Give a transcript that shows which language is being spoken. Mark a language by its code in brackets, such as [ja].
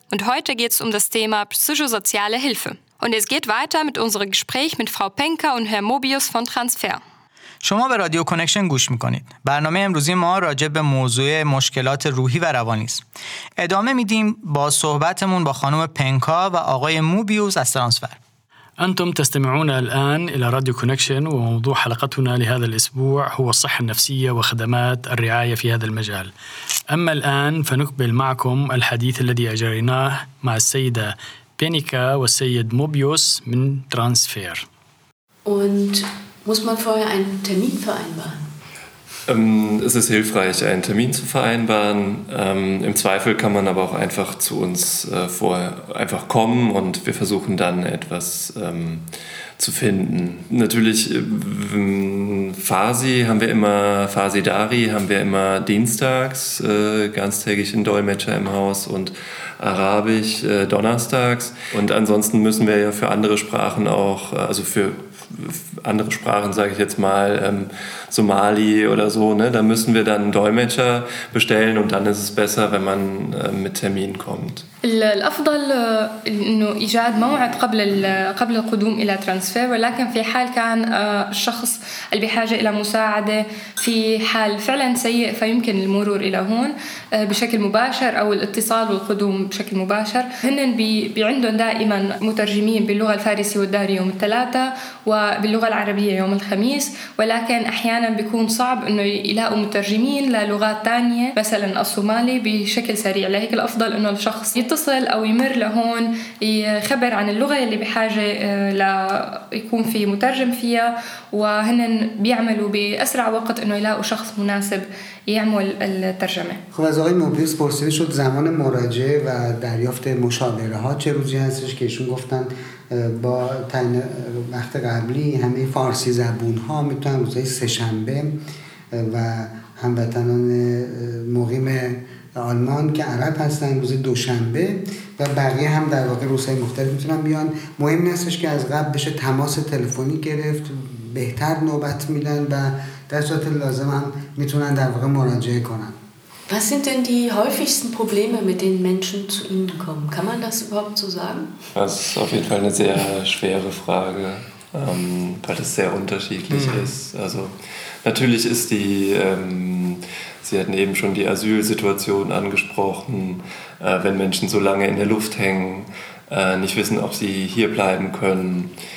[de] Und heute geht es um das Thema psychosoziale Hilfe. Und es geht weiter mit unserem Gespräch mit Frau Penker und Herr Mobius von Transfer. [fa] شما به رادیو کانکشن گوش میکنید. برنامه امروزی ما راجع به موضوع مشکلات روحی و روانی است. ادامه میدیم با صحبتمون با خانم پنکا و آقای موبیوس از ترانسفر. [ar] انتم تستمعون الان الى راديو كونكشن وموضوع حلقتنا لهذا الاسبوع هو الصحه النفسيه وخدمات الرعايه في هذا المجال. اما الان فنقبل معكم الحديث الذي اجريناه مع السيده بينيكا والسيد موبيوس من ترانسفير. [de] Und muss man vorher einen Termin vereinbaren? Es ist hilfreich, einen Termin zu vereinbaren. Im Zweifel kann man aber auch einfach zu uns vorher einfach kommen und wir versuchen dann etwas zu finden. Natürlich Fasi Dari haben wir immer dienstags ganztägig einen Dolmetscher im Haus und Arabisch donnerstags. Und ansonsten müssen wir ja für andere Sprachen auch, also für andere Sprachen, sage ich jetzt mal, Somali oder so, ne? Da müssen wir dann einen Dolmetscher bestellen und dann ist es besser, wenn man mit Termin kommt. [ar] الأفضل إنه إيجاد موعد قبل القدوم إلى ترانسفير، ولكن في حال كان الشخص اللي بحاجة إلى مساعدة في حال فعلا سيء فيمكن المرور إلى هون بشكل مباشر أو الاتصال والقدوم بشكل مباشر. هن عندهم دائما مترجمين باللغة الفارسية والداري يوم الثلاثة وباللغة العربية يوم الخميس، ولكن أحيانا بيكون صعب إنه يلاقوا مترجمين للغات تانية مثلا الصومالي بشكل سريع، لهيك الأفضل إنه الشخص يتصل أو يمر لهون يخبر عن اللغة اللي بحاجة ليكون في مترجم فيها، وهن بيعملوا بأسرع وقت إنه يلاقوا شخص مناسب يعمل الترجمة. [fa] خب از آقای موبیوس پرسیده شد زمان مراجعه و دریافت مشاوره ها چه روزی هستش که ایشون گفتن با تعیین وقت قبلی همه فارسی زبون ها میتونن روزهای سه شنبه و هموطنان مقیم آلمان که عرب هستن روز دوشنبه و بقیه هم در واقع روزهای مختلف میتونن بیان. مهم نیستش که از قبل بشه تماس تلفنی گرفت، بهتر نوبت میدن و در صورت لازم هم میتونن در واقع مراجعه کنن. [de] Was sind denn die häufigsten Probleme, mit denen Menschen zu Ihnen kommen? Kann man das überhaupt so sagen? Das ist auf jeden Fall eine sehr schwere Frage, weil es sehr unterschiedlich ist. Also natürlich ist die, Sie hatten eben schon die Asylsituation angesprochen, wenn Menschen so lange in der Luft hängen, nicht wissen, ob sie hier bleiben können.